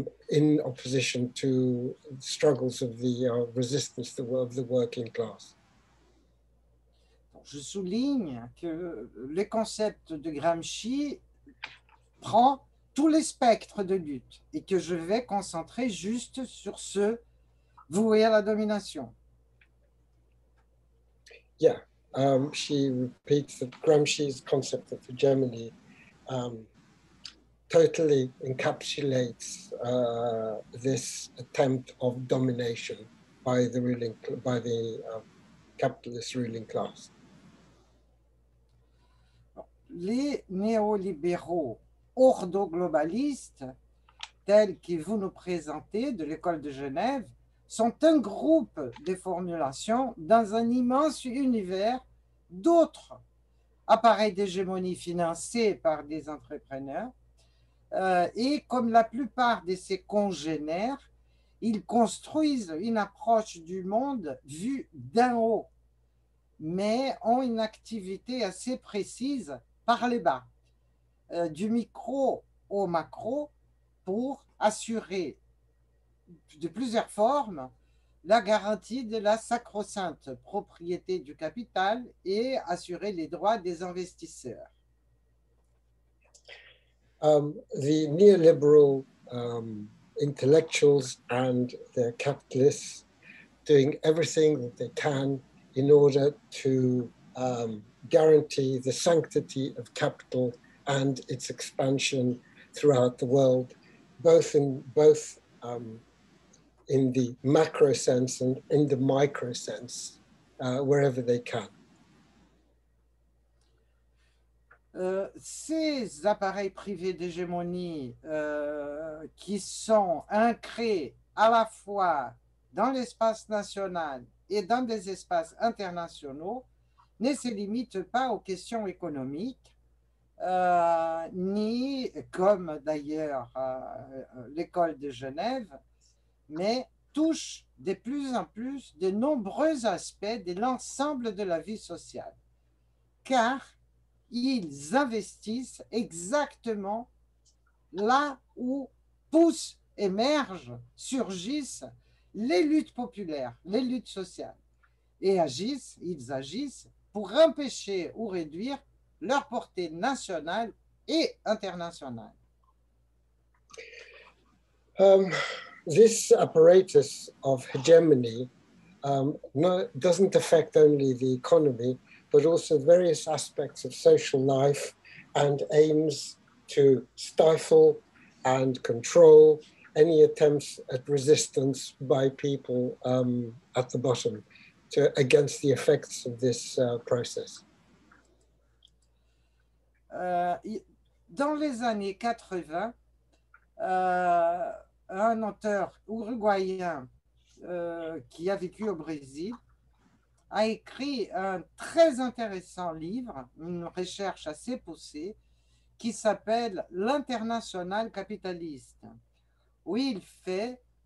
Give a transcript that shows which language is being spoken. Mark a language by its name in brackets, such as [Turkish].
[English] In opposition to struggles of the resistance of the working class. [French] Je souligne que le concept de Gramsci prend tous les spectres de lutte et que je vais concentrer juste sur ceux voués à la domination. [English] Yeah, she repeats that Gramsci's concept of hegemony totally encapsulates this attempt of domination by the ruling, by the capitalist ruling class. [French] Les néolibéraux ordo-globalistes, tels que vous nous présentez de l'école de Genève, sont un groupe de formulations dans un immense univers d'autres appareils d'hégémonie financés par des entrepreneurs. Et comme la plupart de ses congénères, ils construisent une approche du monde vue d'en haut, mais ont une activité assez précise par les bas, du micro au macro, pour assurer de plusieurs formes la garantie de la sacro-sainte propriété du capital et assurer les droits des investisseurs. [English] The neoliberal intellectuals and their capitalists doing everything that they can in order to guarantee the sanctity of capital and its expansion throughout the world, both in the macro sense and in the micro sense, wherever they can. [French] Ces appareils privés d'hégémonie qui sont ancrés à la fois dans l'espace national et dans des espaces internationaux ne se limitent pas aux questions économiques, ni comme d'ailleurs l'école de Genève, mais touchent de plus en plus de nombreux aspects de l'ensemble de la vie sociale, car ils investissent exactement là où poussent, émergent, surgissent les luttes populaires, les luttes sociales, et ils agissent pour empêcher ou réduire leur portée nationale et internationale. [English] This apparatus of hegemony doesn't affect only the economy, but also various aspects of social life, and aims to stifle and control any attempts at resistance by people at the bottom against the effects of this process. [French] dans les années 80, un auteur uruguayen qui a vécu au Brésil a écrit un très intéressant livre, une recherche assez poussée, qui s'appelle L'International capitaliste, où il fait